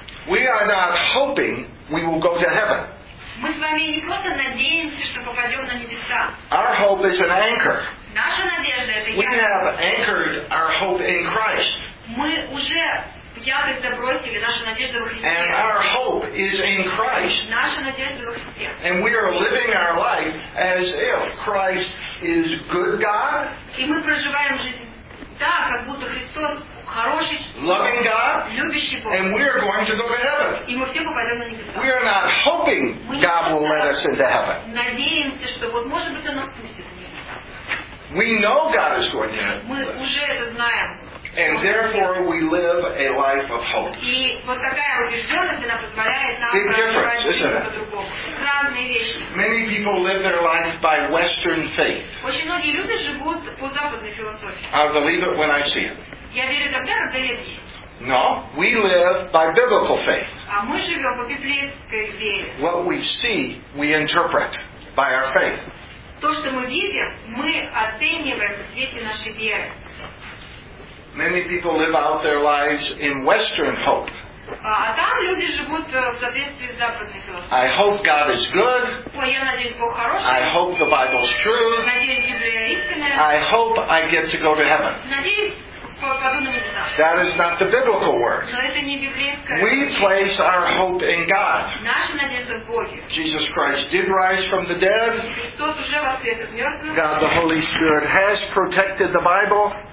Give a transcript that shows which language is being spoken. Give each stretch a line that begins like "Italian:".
English: We are not hoping we will go to heaven.
Russian: Мы с вами не просто надеемся, что попадем на небеса.
English: Our hope is an anchor.
Russian: Наша надежда — это яхта.
English: We have anchored our hope in Christ.
Russian: Мы уже якорь забросили, нашу надежду во Христе.
English: And our hope is in Christ.
Russian: Наша надежда во Христе.
English: And we are living our life as if Christ is good God.
Russian: И мы проживаем жизнь так, как будто Христос
English: loving God,
Russian: любящий Бог,
English: and we are going to go to heaven.
Russian: И мы все попадем на небеса.
English: We are not hoping God will let us into heaven.
Russian: Надеемся, что вот может быть он отпустит меня.
English: We know God is going to heaven.
Russian: Мы уже это знаем.
English: And therefore we live a life of hope.
Russian: И вот такая убежденность, она позволяет нам жить по-другому.
English: Big difference, isn't it?
Russian: Разные вещи.
English: Many people live their life by Western faith.
Russian: Очень многие люди живут по западной философии.
English: I believe it when I see it.
Russian: Я верю тогда, когда я вижу.
English: No, we live by biblical faith.
Russian: А мы живем по библейской вере.
English: What we see, we interpret by our faith.
Russian: То, что мы видим, мы оцениваем в свете нашей веры.
English: Many people live out their lives in Western hope.
Russian: А там люди живут в соответствии с западной философией.
English: I hope God is good.
Russian: Ой, я надеюсь, Бог хороший.
English: I hope the Bible's true.
Russian: Надеюсь, Библия истинная.
English: I hope I get to go to heaven.
Russian: Надеюсь,
English: that is not the biblical word. We place our hope in God. Jesus Christ did rise from the dead. God the Holy Spirit has protected the Bible.